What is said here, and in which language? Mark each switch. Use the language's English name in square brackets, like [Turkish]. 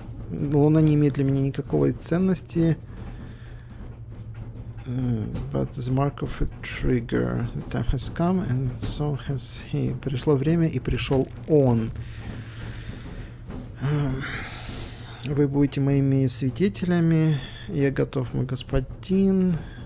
[Russian] Луна не имеет для меня никакой ценности. [English] But the mark of a trigger. The time has come and so has he. [Russian] Пришло время и пришел он. Вы будете моими свидетелями. Я готов, мой господин.